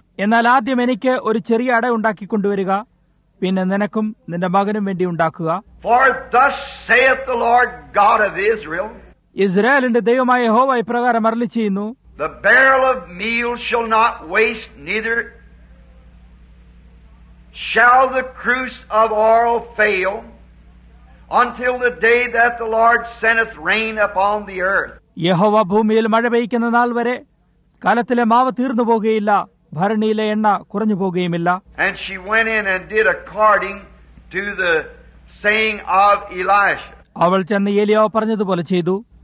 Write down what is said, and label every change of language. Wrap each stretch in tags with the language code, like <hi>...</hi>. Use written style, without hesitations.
<ml>എന്നാൽ ആദ്യം എനിക്ക് ഒരു ചെറിയ അട ഉണ്ടാക്കിക്കൊണ്ടുവരിക, പിന്നെ നിനക്കും നിന്റെ മകനും വേണ്ടി ഉണ്ടാക്കുക.</ml> <en>For thus saith the Lord God of Israel.</en> <ml>ഇസ്രായേലിന്റെ ദൈവമായ യഹോവ ഇപ്രകാരം അരുളി ചെയ്യുന്നു.</ml> <en>The barrel of meal shall not waste, neither shall the cruse of oil fail, until the day that the Lord sendeth rain upon the earth.</en> <ml>യഹോവ ഭൂമിയിൽ മഴ പെയ്ക്കുന്ന നാൾ വരെ കാലത്തിലെ മാവ് തീർന്നു പോകുകയില്ല, ഭരണിയിലെ എണ്ണ കുറഞ്ഞു പോകുകയുമില്ല.</ml> <en>And she went in and did according to the saying of Elisha.</en> <ml>അവൾ ചെന്ന് ഏലിയാവ് പറഞ്ഞതുപോലെ ചെയ്തു.</ml>